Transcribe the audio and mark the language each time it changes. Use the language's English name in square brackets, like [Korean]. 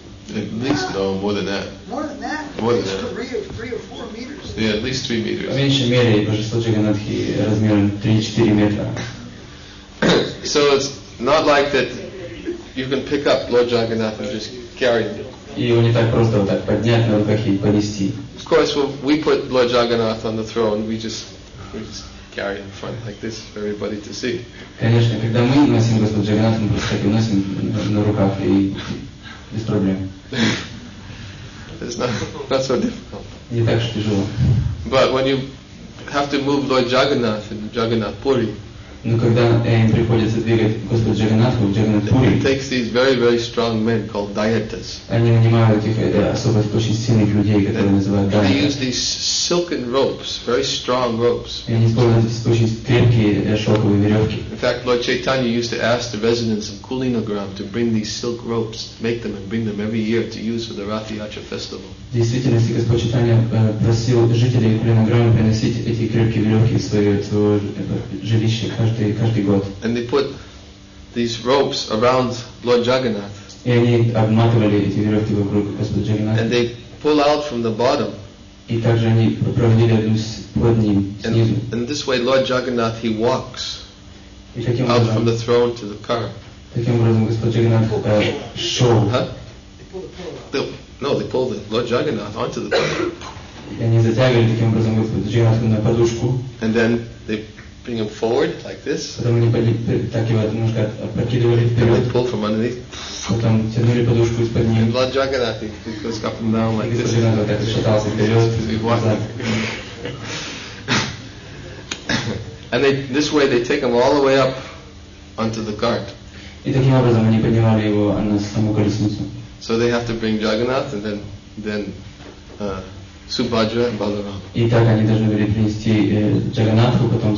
[English] At least, no, more than that. More than that. 3 or 4 meters. So it's not like that you can pick up Lord Jagannath and just carry him. [Russian] И его не так просто вот так поднять на руках и понести. [English] Of course, well, we put Lord Jagannath on the throne, we just carry in front like this for everybody to see. [Russian] Конечно, когда мы носим Господа Джагнатха, мы просто так и носим на руках и без проблем. [English] It's not so difficult. [Russian] Не так уж тяжело. [English] But when you have to move Lord Jagannath in Jagannath Puri. [Russian] Но когда им приходится двигать Господа Джагнатху в Джагнатхпури, [English] it takes these very, very strong men called dayatas. [Russian] Они нанимают этих особо очень сильных людей, которые называют дайаты. [English] They use these silken ropes, very strong ropes. [Russian] И они используют очень крепкие шелковые веревки. [English] In fact, Lord Chaitanya used to ask the residents of Kulinagram to bring these silk ropes, make them and bring them every year to use for the Rath Yatra festival. [Russian] Действительно, Господь Чайтанья просил жителей Кулинаграма приносить эти крепкие веревки в свое жилище каждый год. [English] And they put these ropes around Lord Jagannath. [Russian] И они обматывали эти веревки вокруг Господа Джагнатха. [English] And they pull out from the bottom. [Russian] И также они проводили одну под ним снизу. [English] And this way Lord Jagannath, he walks out from the throne to the car. [Russian] Таким образом Господь Джагнатх шел. [English] No, they pulled the Lord Jagannath onto the pillow. [Russian] Они затягивали таким образом Господа Джагнатха на подушку. [English] And then they bring him forward like this. [Russian] Потом они так его немножко опрокидывали вперед. [English] And they pull from underneath. [Russian] Потом тянули подушку из-под ним. [English] And Lord Jagannath, he goes up and down like this. [Russian] Господа Джагнатха шатался вперед. [English] He walked. And this way they take him all the way up onto the cart. [Russian] И таким образом они поднимали его на саму колесницу. [English] So they have to bring Jagannath and then Subhadra and Balaram. [Russian] И так они должны были принести Джагнатху, потом